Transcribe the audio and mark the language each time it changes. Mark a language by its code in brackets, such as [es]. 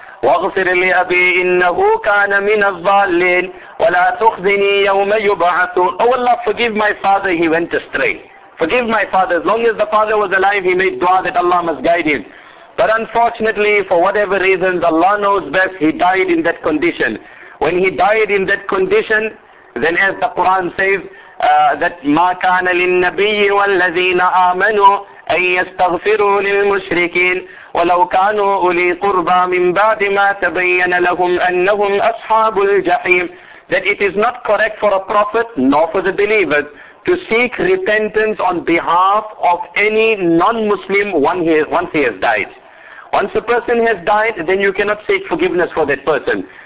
[ar] وَغْفِرِ لِأَبِي إِنَّهُ كَانَ مِنَ الظَّالِّينَ وَلَا تُخْزِنِي يَوْمَ يُبْعَثُونَ. [en] Oh Allah, forgive my father, he went astray. Forgive my father. As long as the father was alive, he made dua that Allah must guide him. But unfortunately, for whatever reasons, Allah knows best, he died in that condition. [ar] When he died in that condition, then as the Quran says, that مَا كَانَ لِلنَّبِيِّ وَالَّذِينَ آمَنُوا أَن يَسْتَغْفِرُوا لِلْمُشْرِكِينَ وَلَوْ كَانُوا أُولِي قُرْبَى مِنْ بَعْدِ مَا تَبَيَّنَ لَهُمْ أَنَّهُمْ أَصْحَابُ الْجَحِيمِ. [en] That it is not correct for a prophet nor for the believers to seek repentance on behalf of any non-Muslim once he has died. Once a person has died, then you cannot seek forgiveness for that person.